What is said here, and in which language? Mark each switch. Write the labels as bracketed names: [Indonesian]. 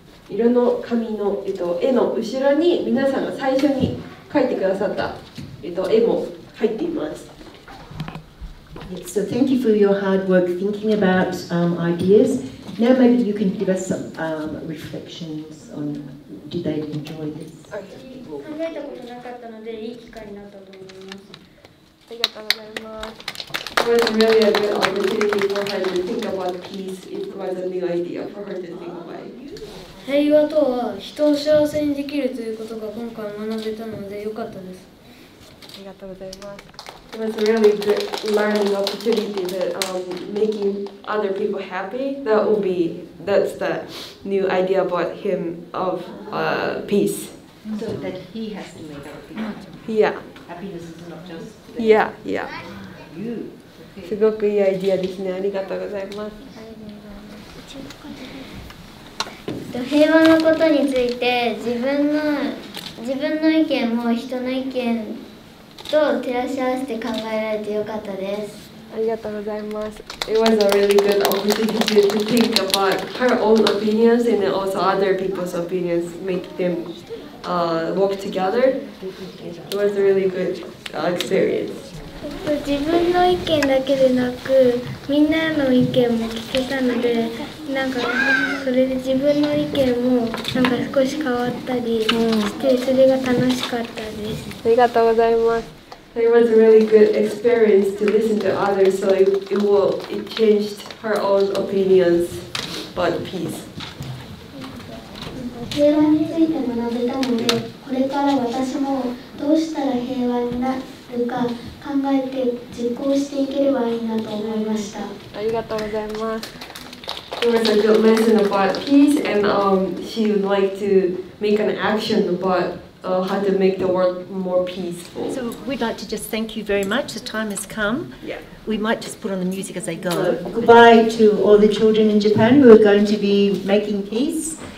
[Japanese] 色の紙の絵の後ろに皆さんが最初に描いてくださった絵も入っています。 [English] So thank you for your hard work thinking about ideas. Now maybe you can give us some reflections on did they enjoy this? [Japanese] 考えたことなかったので、いい機会になったと思います。ありがとうございます。 [English] It was really a good opportunity for her to think about peace. It was a new idea for her to think about. [Japanese] 平和とは人を幸せにできるということが今回学べたので良かったです。ありがとうございます。 [English] It was a really good learning opportunity that making other people happy, that will be, that's the new idea about him of peace. So that he has to make other people. Yeah. Happiness is not just that. Yeah, yeah. You. [Japanese] すごくいいアイディアですね。ありがとうございます。平和のことについて自分の意見も人の意見と照らし合わせて考えられてよかったです。ありがとうございます。 [English] It was a really good opportunity to think about her own opinions and also other people's opinions, make them work together. It was a really good experience. [Japanese] 自分の意見だけでなくみんなの意見も聞けたので。なんかそれで自分の意見もなんか少し変わったりしてそれが楽しかったです。ありがとうございます。 [English] It was a really good experience to listen to others, so it changed her own opinions about peace. [Japanese] 平和について学べたので、これから私もどうしたら平和になるか考えて実行していければいいなと思いました。ありがとうございます。 [English] There was a good lesson about peace, and she would like to make an action about how to make the world more peaceful. So we'd like to just thank you very much. The time has come. Yeah. We might just put on the music as they go. Goodbye to all the children in Japan who are going to be making peace.